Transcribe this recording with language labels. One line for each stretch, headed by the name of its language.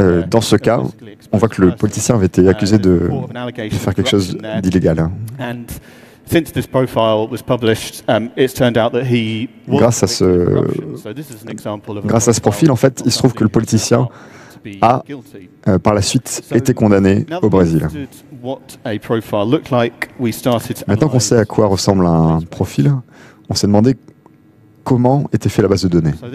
French: Dans ce cas, on voit que le politicien avait été accusé de faire quelque chose d'illégal.
English: Since this profile was published, it's turned out that he was a corrupt.
French: Grâce à ce profil, en fait, il se trouve que le politicien a, par la suite, été condamné au Brésil. Maintenant qu'on sait à quoi ressemble un profil, on s'est demandé comment était faite la base de données.